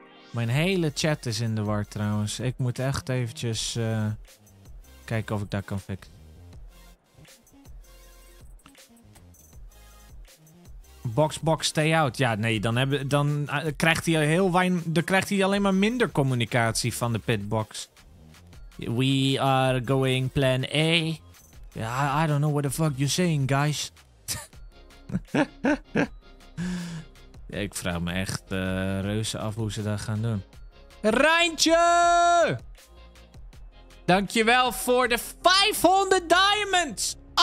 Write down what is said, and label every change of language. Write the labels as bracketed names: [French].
[Dutch] Mijn hele chat is in de war trouwens. Ik moet echt eventjes kijken of ik dat kan fixen. [English] Box, stay out. [Dutch] Ja, nee, dan krijgt hij alleen maar minder communicatie van de pitbox. [English] We are going plan A. I don't know what the fuck you're saying, guys. [Dutch] Ja, ik vraag me echt reuze af hoe ze dat gaan doen. Rijntje! Dankjewel voor de 500 diamonds!